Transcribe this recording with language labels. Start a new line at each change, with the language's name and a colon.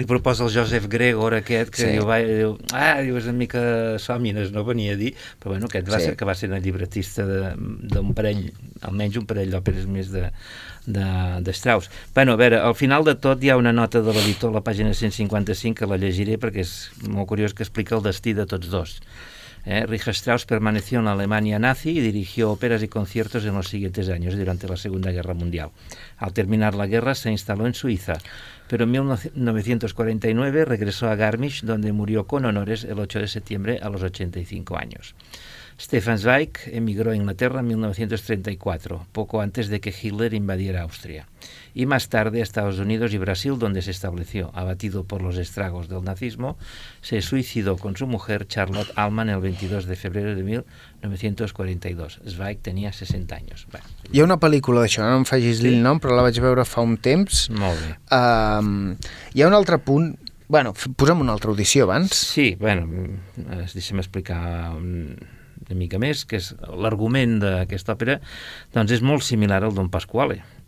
Catalan: Li proposa el Joseph Gregor aquest, que diu és una mica sòmines, no venia a dir, però aquest va ser que va ser el llibretista d'un parell, almenys un parell d'òperes més de Strauss. Al final de tot hi ha una nota de l'editor a la pàgina 155, que la llegiré perquè és molt curiós, que explica el destí de tots dos.
Spanish: Richard Strauss permaneció en Alemania nazi y dirigió óperas y conciertos en los siguientes años durante la Segunda Guerra Mundial. Al terminar la guerra se instaló en Suiza, pero en 1949 regresó a Garmisch, donde murió con honores el 8 de septiembre a los 85 años. Stefan Zweig emigró a Inglaterra en 1934, poco antes de que Hitler invadiera Austria, y más tarde a Estados Unidos y Brasil, donde se estableció. Abatido por los estragos del nazismo, se suicidó con su mujer Charlotte Alman el 22 de febrero de 1942. Zweig tenía 60 años.
Catalan: Hi ha una pel·lícula d'això, no em facis el nom, però la vaig veure fa un temps. Molt bé. Hi ha un altre punt... posem una altra audició abans. Sí, deixa'm explicar... una mica més, que és l'argument d'aquesta òpera, doncs és molt similar al Don Pasquale.